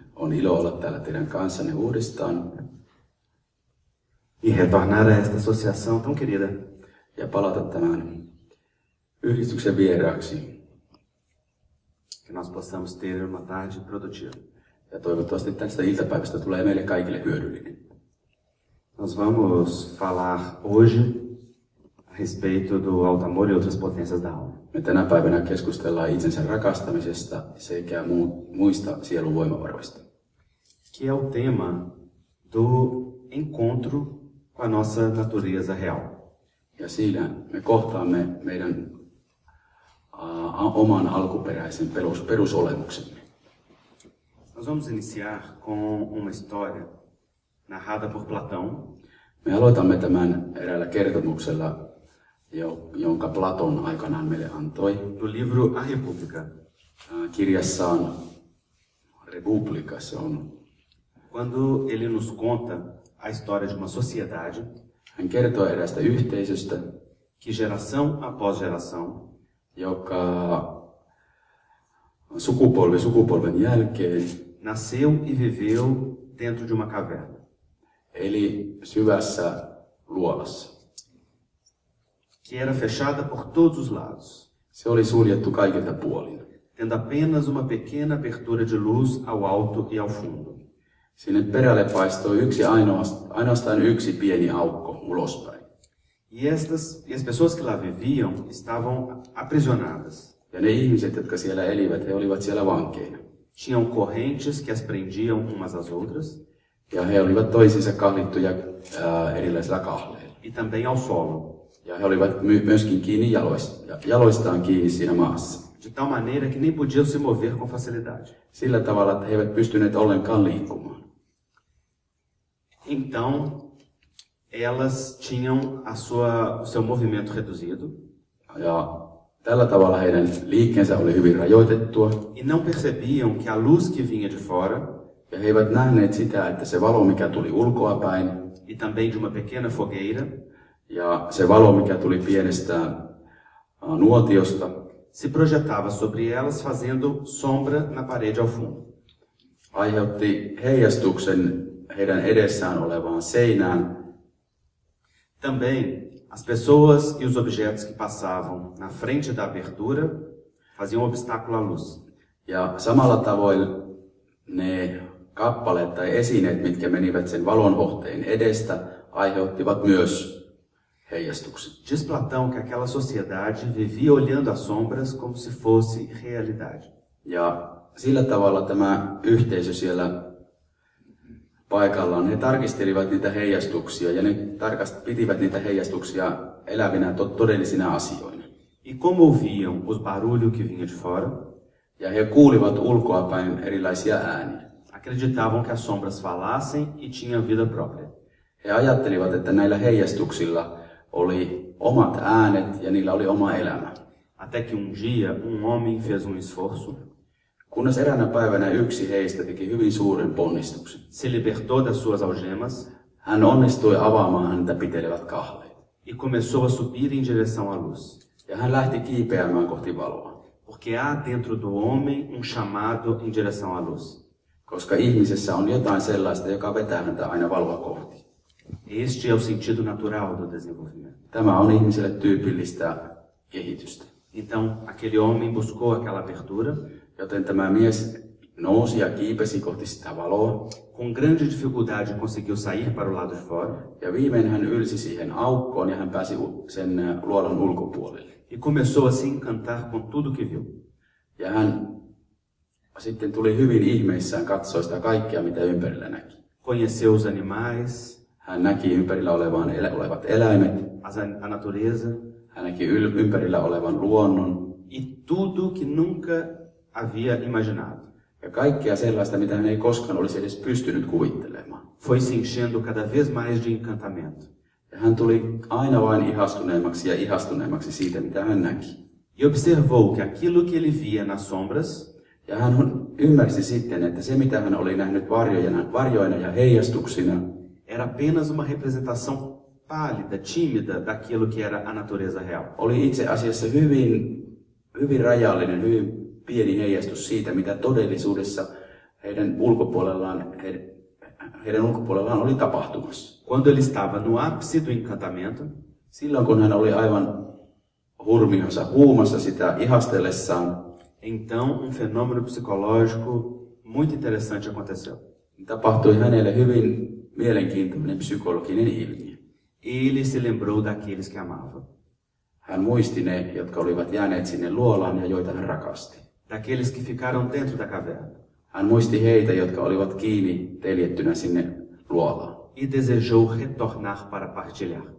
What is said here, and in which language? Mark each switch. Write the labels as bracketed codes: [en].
[fi] On ilo olla täällä teidän kanssanne uudestaan. [pt] E retornare a esta associação tão querida. [fi] Ja palata tämän yhdistyksen vieraaksi. [pt] Que nós possamos ter uma tarde produtiva. [fi] Ja toivottavasti tästä iltapäivästä tulee meille kaikille hyödyllinen. [pt] Nós vamos falar hoje a respeito do alto amor e outras potências da alma. [fi] Me tänä päivänä keskustellaan itsensä rakastamisesta sekä muista sielun voimavaroista. [pt] Que é o tema do encontro com a nossa natureza real. [fi] Ja siinä me kohtaamme meidän oman alkuperäisen perusolemuksemme. [pt] Nós vamos iniciar com uma história narrada por Platão. [fi] Me aloitamme tämän eräällä kertomuksella, jonka Platon aikanaan meille antoi. [pt] Do livro A República. [fi] Kirjassaan Republika, se on. [pt] Quando ele nos conta a história de uma sociedade. [fi] Hän kertoo eräästä yhteisöstä. [pt] Que geração após geração. [fi] Joka sukupolven jälkeen. [pt] Nasceu e viveu dentro de uma caverna. [fi] Eli syvässä luolassa. [pt] Que era fechada por todos os lados. [fi] Se oli suljettu kaikilta puolin. [pt] Tendo apenas uma pequena abertura de luz ao alto e ao fundo. [fi] Sinne perälle paistoi yksi ainoastaan yksi pieni aukko ulospäin. [pt] E as pessoas que lá viviam estavam aprisionadas. [fi] Ja ne ihmiset, jotka siellä elivät, he olivat siellä vankeina. [pt] Tinham correntes que as prendiam umas às outras. [fi] Ja he olivat toisiinsa kahlittuja erilaisilla kahleilla. [pt] E também ao solo. [fi] Ja he olivat myöskin kiinni jaloistaan kiinni siinä maassa. [pt] De tal maneira que nem podiam se mover com facilidade. [fi] Sillä tavalla, että he eivät pystyneet ollenkaan liikkumaan. [pt] Então, elas tinham o seu movimento reduzido. [fi] Ja tällä tavalla heidän liikkeensä oli hyvin rajoitettua. [pt] E não percebiam que a luz que vinha de fora. [fi] Ja he eivät nähneet sitä, että se valo, mikä tuli ulkoa päin. [pt] E também de uma pequena fogueira. [fi] Ja se valo, mikä tuli pienestä nuotiosta, [pt] se projetava sobre elas fazendo sombra na parede ao fundo. [fi] Aiheutti heijastuksen heidän edessään olevaan seinään. [pt] Também as pessoas e os objetos que passavam na frente da abertura faziam obstáculo à luz. [fi] Ja samalla tavoin ne kappaleet tai esineet, mitkä menivät sen valonohteen edestä, aiheuttivat myös heijastuksen. [pt] Diz Platão que aquela sociedade vivia olhando as sombras como se fosse realidade. [fi] Ja sillä tavalla tämä yhteisö siellä paikallaan, he tarkistelivat niitä heijastuksia ja ne pitivät niitä heijastuksia elävinä todellisina asioina. [pt] E como ouviam os barulhos que vinha de fora? [fi] Ja he kuulivat ulkoa päin erilaisia ääniä. [pt] Acreditavam que as sombras falassem e tinham vida própria. [fi] He ajattelivat, että näillä heijastuksilla oli omat äänet ja niillä oli oma elämä. [pt] Até que dia um homem fez esforço. [fi] Kunnes eräänä päivänä yksi heistä teki hyvin suuren ponnistuksen. [pt] Se libertou das suas algemas. [fi] Hän onnistui avaamaan häntä pitelevät kahleet. [pt] E começou a subir em direção à luz. [fi] Ja hän lähti kiipeämään kohti valoa. [pt] Porque há dentro do homem chamado em direção à luz. [fi] Koska ihmisessä on jotain sellaista, joka vetää häntä aina valoa kohti. [pt] Este é o sentido natural do desenvolvimento. [fi] Tämä on ihmiselle tyypillistä kehitystä. [pt] Então, aquele homem buscou aquela abertura. [fi] Joten tämä mies nousi ja kiipesi kohti sitä valoa. [pt] Com grande dificuldade conseguiu sair para o lado de fora. [fi] Ja viimein hän ylsi siihen aukkoon ja hän pääsi sen luolan ulkopuolelle. [pt] E começou a se encantar com tudo que viu. [fi] Ja hän sitten tuli hyvin ihmeissään katsoa sitä kaikkea, mitä ympärillä näki. [pt] Conheceu os animais. [fi] Hän näki ympärillä olevat eläimet. [pt] A natureza. [fi] Hän näki ympärillä olevan luonnon. [pt] E tudo que nunca havia imaginado. [fi] Ja kaikkea sellaista, mitä hän ei koskaan olisi edes pystynyt kuvittelemaan. [pt] Foi se enchendo cada vez mais de encantamento. [fi] Ja hän tuli aina vain ihastuneemmaksi ja ihastuneemmaksi siitä, mitä hän näki. [pt] E observou que aquilo que ele via nas sombras, [fi] ja hän ymmärsi sitten, että se mitä hän oli nähnyt varjoina ja heijastuksina, [pt] era apenas uma representação pálida, tímida daquilo que era a natureza real. [fi] Oli itse asiassa hyvin rajallinen, hyvin pieni heijastus siitä, mitä todellisuudessa heidän ulkopuolellaan oli tapahtumassa. [pt] Quando ele estava no ápice do encantamento, [fi] silloin kun hän oli aivan hurmiossa, huumassa sitä ihastellessaan, [pt] então um fenômeno psicológico muito interessante aconteceu. [fi] Tapahtui hänelle hyvin mielenkiintoinen psykologinen ilmiö. [pt] Ele se lembrou daqueles que amava. [fi] Hän muisti ne, jotka olivat jääneet sinne luolaan ja joita hän rakasti. [pt] Daqueles que ficaram dentro da caverna. [fi] Hän muisti heitä, jotka olivat kiinni teljettynä sinne luolaan. [pt] E desejou retornar para partilhar.